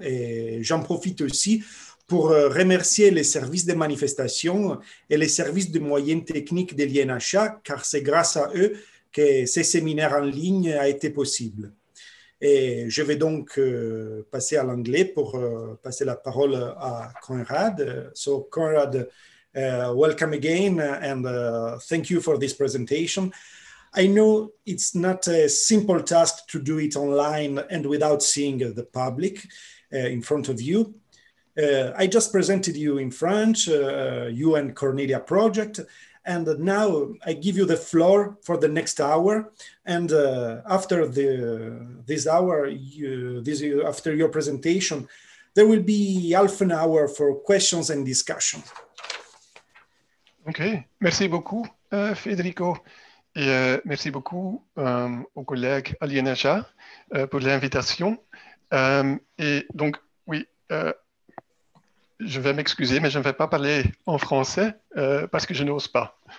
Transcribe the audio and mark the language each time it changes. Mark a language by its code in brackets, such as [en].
[fr] Et j'en profite aussi pour remercier les services de manifestation et les services de moyens techniques de l'INHA, car c'est grâce à eux que ce séminaire en ligne a été possible. Et je vais donc passer à l'anglais pour passer la parole à Conrad. [en] So, Conrad, welcome again and thank you for this presentation. I know it's not a simple task to do it online and without seeing the public in front of you. I just presented you in French, you and Cornelia project, and now I give you the floor for the next hour. And after this hour, after your presentation, there will be half an hour for questions and discussion. [fr] OK, merci beaucoup, Federico. Et merci beaucoup aux collègues à l'INHA pour l'invitation. Et donc, oui, je vais m'excuser, mais je ne vais pas parler en français parce que je n'ose pas.